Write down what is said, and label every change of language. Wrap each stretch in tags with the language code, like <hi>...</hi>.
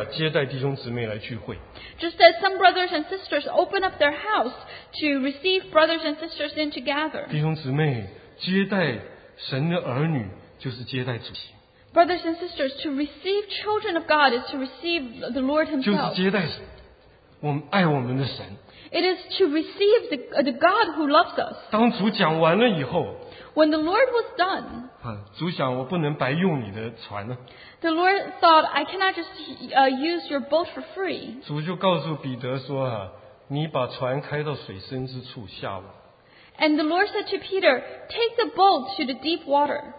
<zh>就好像我们今天有些弟兄姊妹把家打开了,接待弟兄姊妹来聚会。</zh> <en>Just as some brothers and sisters open up their house to receive brothers and sisters in to gather.</en> <zh>弟兄姊妹,接待神的儿女就是接待主席。</zh> <en>Brothers and sisters, to receive children of God is to receive the Lord himself.</en> <zh>就是接待我们爱我们的神。</zh> <en>It is to receive the God who loves us.</en> <zh>当主讲完了以后,</zh> <en>when the Lord was done,</en> <zh>主想我不能白用你的船呢,</zh> <en>the Lord thought, I cannot just use your boat for free.</en> <zh>主就告诉彼得说, 你把船开到水深之处下吧。</zh> <en>And the Lord said to Peter, take the boat to the deep water.</en>